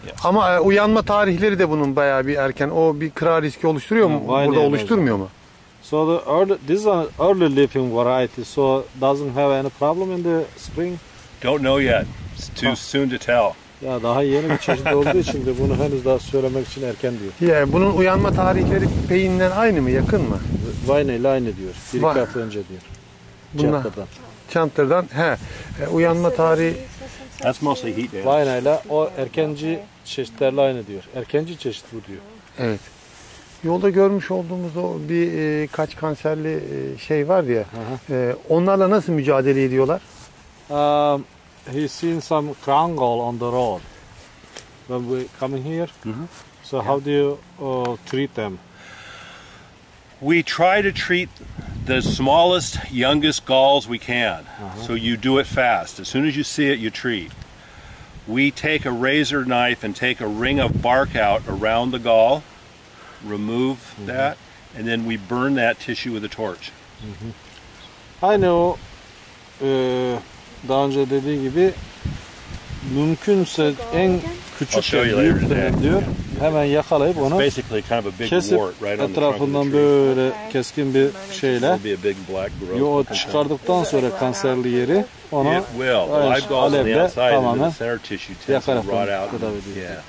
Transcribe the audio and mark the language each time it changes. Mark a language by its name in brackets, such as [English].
[Turkish] Ama uyanma tarihleri de bunun bayağı bir erken. O bir kıra riski oluşturuyor mu? Burada oluşturmuyor mu? [English] So the early, this is an early leafing variety, so doesn't have any problem in the spring. Don't know yet. It's too soon to tell. [Turkish] Ya daha yeni bir çeşit olduğu için de bunu henüz daha söylemek için erken diyor. Ya yeah, bunun uyanma tarihleri peyinden aynı mı, yakın mı? Vine ile aynı diyor. 1-2 hafta önce diyor. Çantırdan. Çantırdan. He. Uyanma tarihi. [English] That's mostly heat. [Turkish] Vine ile o erkenci çeşitlerle aynı diyor. Erkenci çeşit bu diyor. Evet. Yolda görmüş olduğumuz o bir kaç kanserli şey var ya. Onlarla nasıl mücadele ediyorlar? [English] He seen some crown gall on the road when we coming here. So how do you treat them? We try to treat the smallest, youngest galls we can. So you do it fast. As soon as you see it, you treat. We take a razor knife and take a ring of bark out around the gall, remove that, and then we burn that tissue with a torch. I know. [Turkish] Daha önce dediği gibi mümkünse en küçük büyüklüğünü diyor. Hemen yakalayıp onu kesip etrafından böyle keskin bir şeyle o çıkardıktan sonra kanserli yeri ona alevle tamamen yakarak kıdavidir.